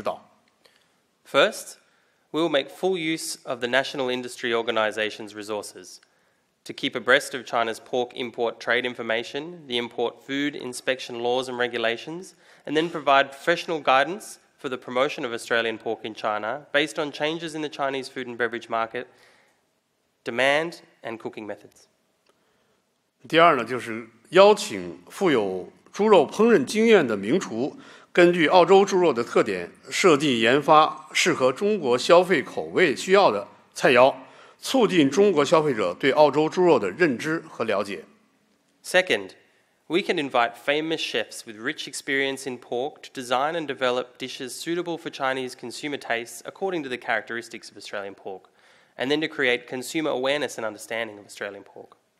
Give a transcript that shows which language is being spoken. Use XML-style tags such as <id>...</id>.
<zh>掌握国家猪肉进口贸易信息，进口猪肉食品商检法律法规，根据中国餐饮市场需求和烹饪方式的变化，为澳洲猪肉在中国的推广提供专业性的指导。</zh> <en>First, we will make full use of the National Industry Organization's resources to keep abreast of China's pork import trade information, the import food inspection laws and regulations, and then provide professional guidance for the promotion of Australian pork in China based on changes in the Chinese food and beverage market, demand, and cooking methods.</en> <zh>第二呢，就是邀请富有猪肉烹饪经验的名厨，根据澳洲猪肉的特点，设计研发适合中国消费口味需要的菜肴，促进中国消费者对澳洲猪肉的认知和了解。</zh> <en>Second, we can invite famous chefs with rich experience in pork to design and develop dishes suitable for Chinese consumer tastes according to the characteristics of Australian pork, and then to create consumer awareness and understanding of Australian pork.</en>